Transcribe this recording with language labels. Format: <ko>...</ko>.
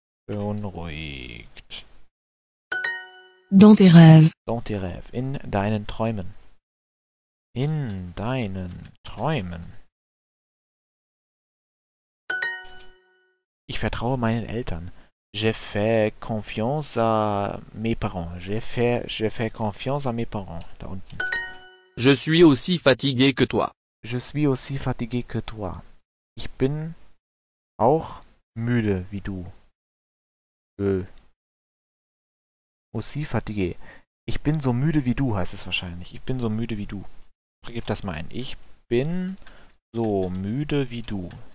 <de>Beunruhigt.</de> <fr>Dans tes rêves. Dans tes rêves.</fr> <de>In deinen Träumen. In deinen Träumen. Ich vertraue meinen Eltern.</de> <fr>J'ai fait confiance à mes parents. J'ai fait confiance à mes parents.</fr> <de>Da unten.</de> <fr>Je suis aussi fatigué que toi. Je suis aussi fatigué que toi.</fr> <de>Ich bin auch müde wie du.</de> <fr>Aussi fatigué.</fr> <de>Ich bin so müde wie du, heißt es wahrscheinlich. Ich bin so müde wie du. Gib das mal ein. Ich bin so müde wie du.</de>